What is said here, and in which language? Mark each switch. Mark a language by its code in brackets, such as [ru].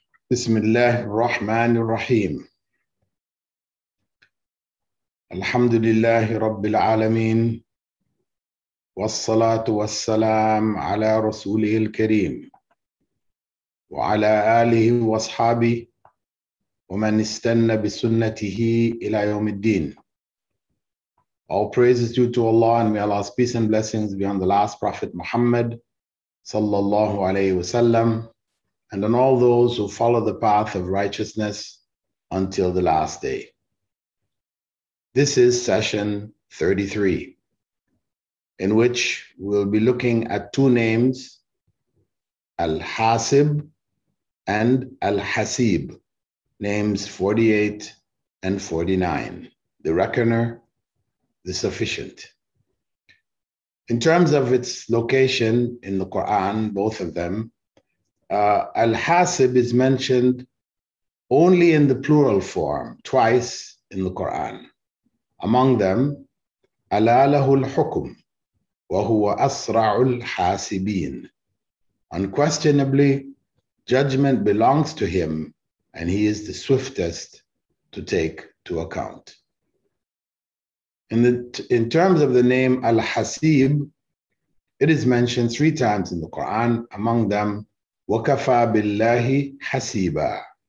[ar] بسم الله الرحمن الرحيم الحمد لله رب العالمين والصلاة والسلام على رسوله الكريم وعلى آله وأصحابه ومن استنى بسنته إلى يوم الدين. [en] All praises due to Allah and may Allah's peace and blessings be on the last Prophet Muhammad صلى الله عليه وسلم and on all those who follow the path of righteousness until the last day. This is session 33, in which we'll be looking at two names, Al-Hasib and Al-Hasib, names 48 and 49, the reckoner, the sufficient. In terms of its location in the Quran, both of them, Al-Hasib is mentioned only in the plural form, twice in the Quran. Among them, [ar] أَلَا لَهُ الْحُكُمْ وَهُوَ أَسْرَعُ الْحَاسِبِينَ. [en] Unquestionably, judgment belongs to him and he is the swiftest to take to account. In terms of the name Al-Hasib, it is mentioned three times in the Quran, among them, [ar] وَكَفَى بِاللَّهِ حَسِيبًا.